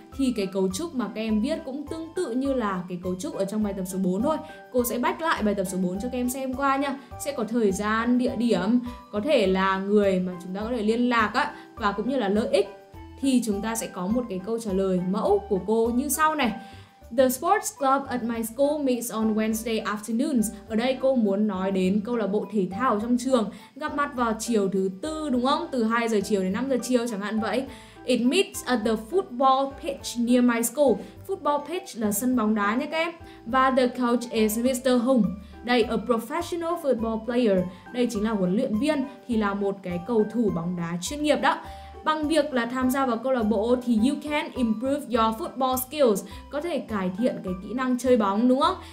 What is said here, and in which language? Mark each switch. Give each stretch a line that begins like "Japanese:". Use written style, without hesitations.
Vietnamese: Thì cái cấu trúc mà các em viết cũng tương tự như là cái cấu trúc ở trong bài tập số 4 thôi. Cô sẽ back lại bài tập số 4 cho các em xem qua nha. Sẽ có thời gian, địa điểm, có thể là người mà chúng ta có thể liên lạc á, và cũng như là lợi ích. Thì chúng ta sẽ có một cái câu trả lời mẫu của cô như sau này.
English: The sports club at my school meets on Wednesday afternoons.
Vietnamese: Ở đây cô muốn nói đến câu lạc bộ thể thao trong trường, gặp mặt vào chiều thứ tư đúng không? Từ 2 giờ chiều đến 5 giờ chiều chẳng hạn vậy.
English: It meets at the football pitch near my school.
Vietnamese: Football pitch là sân bóng đá nha các em. Và
English: the coach is Mr. Hung.
Vietnamese: Đây,
English: a professional football player.
Vietnamese: Đây chính là huấn luyện viên, thì là một cái cầu thủ bóng đá chuyên nghiệp đó. Bằng việc là tham gia vào câu lạc bộ thì
English: you can improve your football skills,
Vietnamese: có thể cải thiện cái kỹ năng chơi bóng đúng không?